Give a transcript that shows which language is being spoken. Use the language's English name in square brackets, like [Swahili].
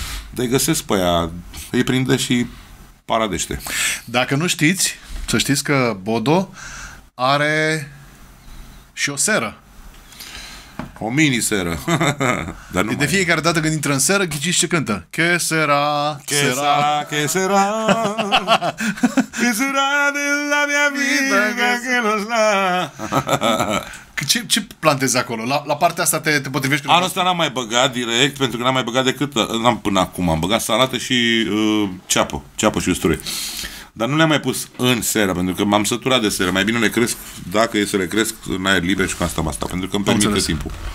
[Romanian] Dar îi găsesc pe aia, îi prinde și paradește. Dacă nu știți, să știți că Bodo are și o seră. O mini seră. Dar nu de fiecare dată când intră în seră, ghiciți ce cântă. [Spanish] Que será, que será, que será, que será de la mia vida, que los la... [Romanian] Ce plantezi acolo? La partea asta te potrivești? Anul ăsta n-am mai băgat direct, pentru că n-am mai băgat decât, n-am până acum, am băgat salată și ceapă și usturoi. Dar nu le-am mai pus în seră, pentru că m-am săturat de seră. Mai bine le cresc, dacă e să le cresc, în aer liber și cu asta, pentru că îmi permite timpul.